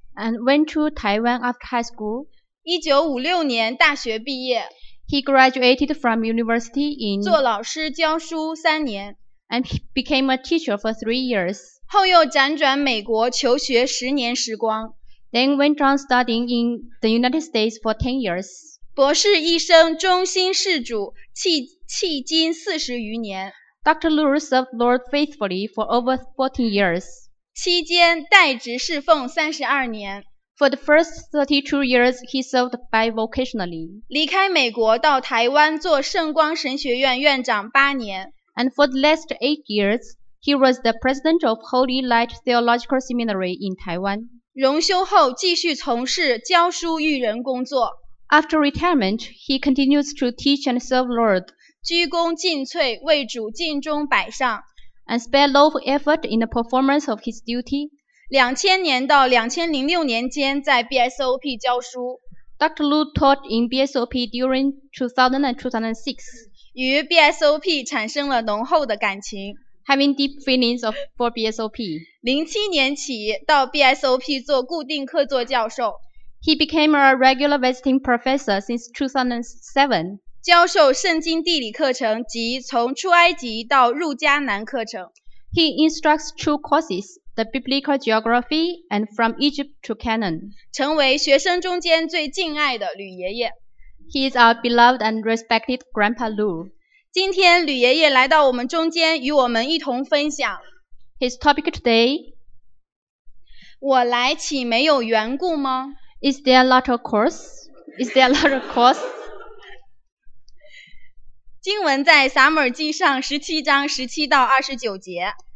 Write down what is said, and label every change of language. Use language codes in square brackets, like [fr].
[en] And went to Taiwan after high school. [zh] 1956年大学毕业。 [en] He graduated from university in [zh] 做老师教书3年。 [en] And became a teacher for 3 years. [zh] 后又辗转美国求学10年时光。 [en] Then went on studying in the United States for 10 years. [zh] 博士一生忠心事主，迄今40余年。 [en] Dr. Lu served Lord faithfully for over 14 years. [zh] 期间代职侍奉32年。 [en] For the first 32 years, he served bivocationally. [zh] 离开美国到台湾做圣光神学院院长8年。 [en] And for the last 8 years, he was the president of Holy Light Theological Seminary in Taiwan. [zh] 荣休后继续从事教书育人工作。 [en] After retirement, he continues to teach and serve the Lord. [zh] 鞠躬尽瘁，为主尽忠摆上。 [en] And spare no effort in the performance of his duty. [zh] 2000年到2006年间在 BSOP 教书。 [en] Dr. Lu taught in BSOP during 2000 and 2006. [zh] 与 BSOP 产生了浓厚的感情。 [en] Having deep feelings for BSOP. [zh] 07年起到 BSOP 做固定客座教授。 [en] He became a regular visiting professor since 2007. [zh] 教授圣经地理课程及从出埃及到入迦南课程。 [en] He instructs two courses, the biblical geography and from Egypt to Canaan. [zh] 成为学生中间最敬爱的吕爷爷。 [en] He is our beloved and respected Grandpa Lu. [zh] 今天吕爷爷来到我们中间与我们一同分享。 [en] His topic today. [zh] 我来岂没有缘故吗？ [en] Is there a lot of cause? Is there a lot of cause? [zh] 经文在撒母耳记上17章17到29节。